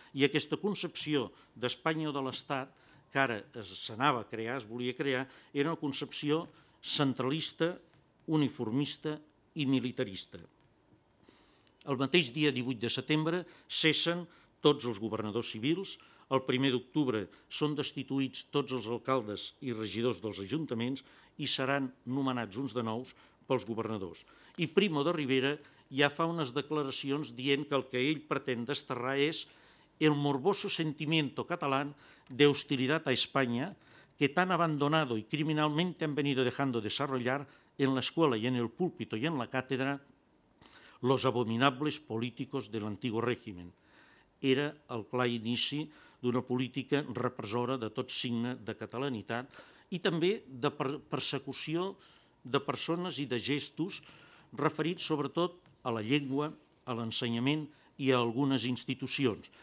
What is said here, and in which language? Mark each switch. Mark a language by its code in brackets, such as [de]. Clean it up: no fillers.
[ca] I aquesta concepció d'Espanya o de l'Estat, que ara s'anava a crear, es volia crear, era una concepció centralista, uniformista i militarista. El mateix dia 18 de setembre cessen tots els governadors civils, el 1 d'octubre són destituïts tots els alcaldes i regidors dels ajuntaments i seran nomenats uns de nous pels governadors. I Primo de Rivera ja fa unes declaracions dient que el que ell pretén desterrar és el [es] morboso sentimiento catalán de hostilidad a España que tan abandonado y criminalmente han venido dejando desarrollar en la escuela y en el púlpito y en la cátedra los abominables políticos del antiguo régimen. [ca] Era el clar inici d'una política repressora de tot signe de catalanitat i també de persecució de persones i de gestos referits sobretot a la llengua, a l'ensenyament i a algunes institucions.